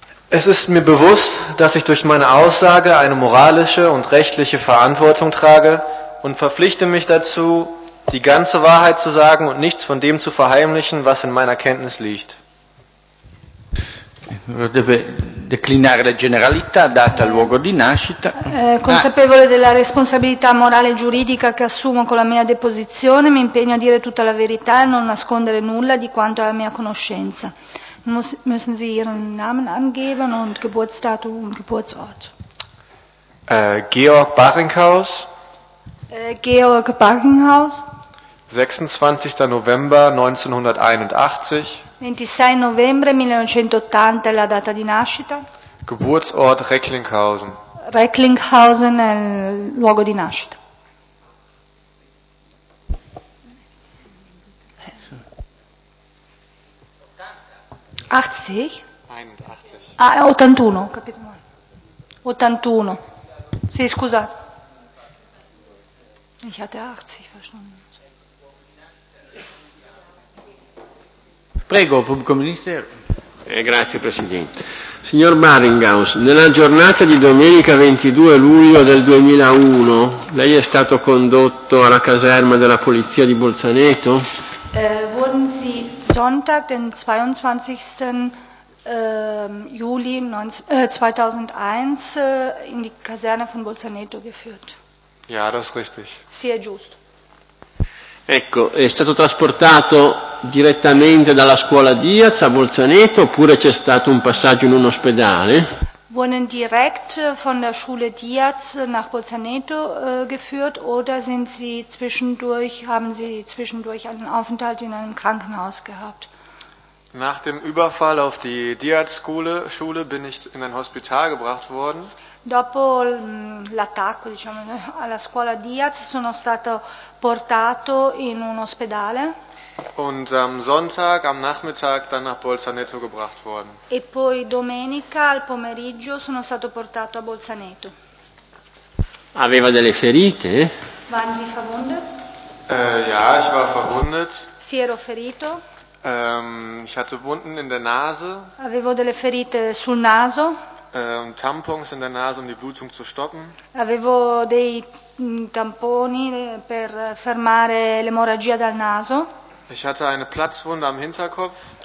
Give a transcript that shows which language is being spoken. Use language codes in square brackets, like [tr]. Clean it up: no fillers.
[de] Es ist mir bewusst, dass ich durch meine Aussage eine moralische und rechtliche Verantwortung trage und verpflichte mich dazu, die ganze Wahrheit zu sagen und nichts von dem zu verheimlichen, was in meiner Kenntnis liegt. [it] Deve declinare la generalità, data, luogo di nascita. Consapevole della responsabilità morale e giuridica che assumo con la mia deposizione, mi impegno a dire tutta la verità e non nascondere nulla di quanto è la mia conoscenza. [de] Müssen Sie Ihren Namen angeben und Geburtsdatum und Geburtsort? Georg Baringhaus. Georg Baringhaus. 26. November 1981. [it] 26 novembre 1980 è la data di nascita. [de] Geburtsort Recklinghausen. [it] Recklinghausen è il luogo di nascita. Ho capito male. 81. Sì, scusa. [de] Ich hatte 80 verstanden. [it] Prego, pubblico ministero. Grazie Presidente. Signor Maringhaus, nella giornata di domenica 22 luglio del 2001, lei è stato condotto alla caserma della polizia di Bolzaneto? [de] Wurden Sie Sonntag, den 22. Juli 2001, in die Kaserne von Bolzaneto geführt? Ja, das richtig. [it] Sì, è giusto. Ecco, è stato trasportato direttamente dalla scuola Diaz a Bolzaneto oppure c'è stato un passaggio in un ospedale? [de] Wurden direkt von der Schule Diaz nach Bolzaneto geführt oder sind sie zwischendurch, haben sie zwischendurch einen Aufenthalt in einem Krankenhaus gehabt? Nach dem Überfall auf die Diaz-Schule bin ich in ein Hospital gebracht worden. [it] Dopo l'attacco, diciamo, alla scuola Diaz, sono stato portato in un ospedale. [de] Und am Sonntag, am Nachmittag, dann nach Bolzaneto gebracht worden. [it] E poi domenica, al pomeriggio, sono stato portato a Bolzaneto. Aveva delle ferite? [de] Waren Sie verwundet? Ja, ich war verwundet. [it] Sì, ero ferito. [de] Ich hatte Wunden in der Nase. [it] Avevo delle ferite sul naso. [de] Tampons in der Nase, um die Blutung zu stoppen. [it] Avevo dei tamponi per fermare l'emorragia dal naso. [de] Ich hatte eine Platzwunde am Hinterkopf.